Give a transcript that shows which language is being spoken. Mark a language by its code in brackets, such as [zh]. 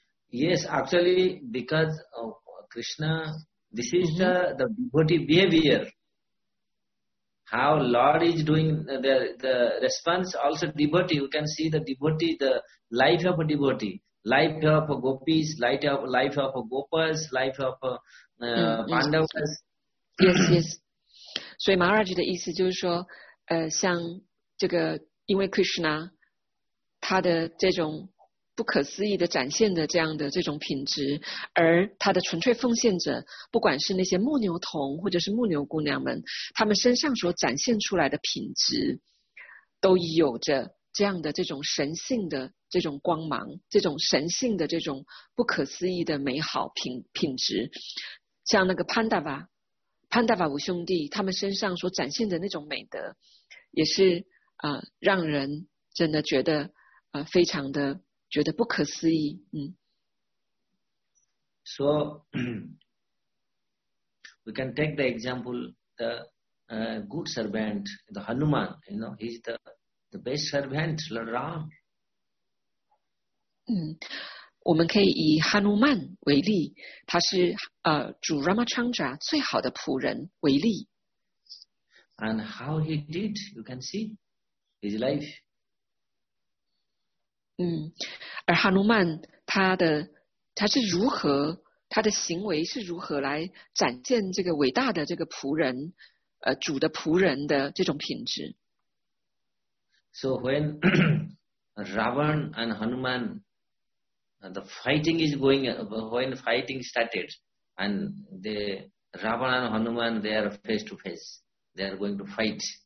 [en] Yes, actually because of Krishna, this is the devotee behavior. How Lord is doing the response also devotee, you can see the devotee, the life of a devotee, life of a gopis, life of a gopas, life of a Pandavas. Yes, yes. [zh] 所以 Maharaj 的意思就是说像这个因为 Krishna 他的这种不可思议的展现的这样的这种品质，而他的纯粹奉献者，不管是那些牧牛童或者是牧牛姑娘们，他们身上所展现出来的品质都有着这样的这种神性的这种光芒，这种神性的这种不可思议的美好品质。像那个潘达瓦五兄弟，他们身上所展现的那种美德也是让人真的觉得非常的觉得不可思议。 [en] So we can take the example, the good servant, the Hanuman, you know, he's the best servant, Lord Ram. [zh] 我们可以以哈努曼为例，他是主 Ramachandra 最好的仆人为例。 [en] And how he did, you can see his life. [zh] 而哈努曼他的行为是如何来展现这个伟大的这个仆人主的仆人的这种品质。 [en] So when Ravan and Hanuman the fighting is going, when fighting started and the Ravan and Hanuman they are face to face, they are going to fight.